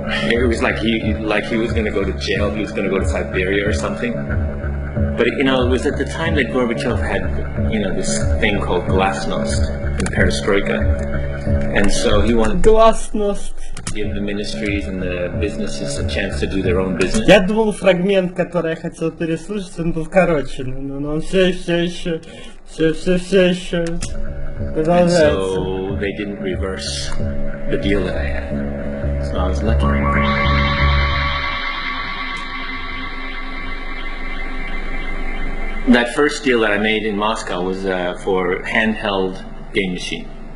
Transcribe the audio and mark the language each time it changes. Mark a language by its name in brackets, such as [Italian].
[English] It was like he was gonna go to jail, he was gonna go to Siberia or something. But you know, it was at the time that Gorbachev had, you know, this thing called glasnost and perestroika. And so he wanted glasnost to give the ministries and the businesses a chance to do their own business. [Russian] Я думал фрагмент, который я хотел переслушать, он был короче, но он все еще. [English] And so they didn't reverse the deal that I had. So I was lucky. That first deal that I made in Moscow was for handheld game machine.